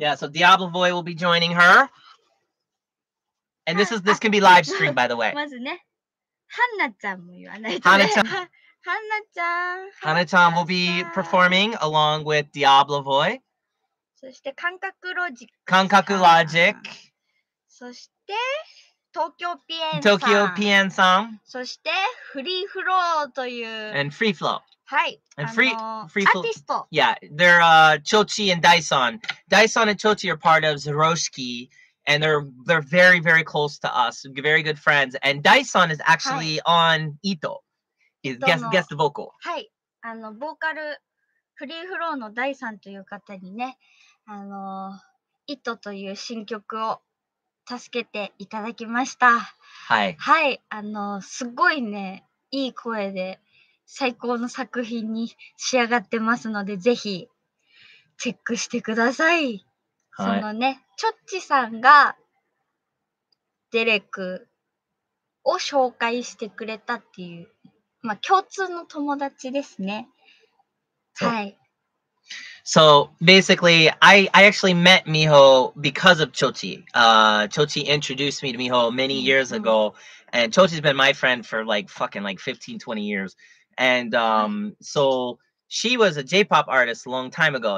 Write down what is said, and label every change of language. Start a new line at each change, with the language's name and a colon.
English: Yeah. So Diablo Boy will be joining her. And this can be live streamed, by the way.
Japanese: Mazu ne. Hana-chan mo yuwanai. Hana-chan.
English: Hana-chan will be performing along with Diablo Boy.
Japanese: そして感覚ロジック。感覚ロジック。そして東京ピエンさん、東京ピエンさん、そしてフリーフローという、
English: and free flow、
Japanese: はい、
English: and free
Japanese: アーティスト、
English: yeah、they're Chochi and Dyson、Dyson and Chochi are part of Zeroshiki、and they're very very close to us、very good friends、and Dyson is actually、はい、on Ito、is guest vocal、
Japanese: はい、あのボーカルフリーフローのダイさんという方にね、あの Ito という新曲を助けていただきました。はい。はい。あの、すごいね、いい声で、最高の作品に仕上がってますので、ぜひ、チェックしてください。はい。そのね、チョッチさんが、デレクを紹介してくれたっていう、まあ、共通の友達ですね。はい。
English: So basically, I actually met Miho because of Chochi. Chochi introduced me to Miho many years ago. And Chochi's been my friend for like 15, 20 years. And so she was a J-pop artist a long time ago.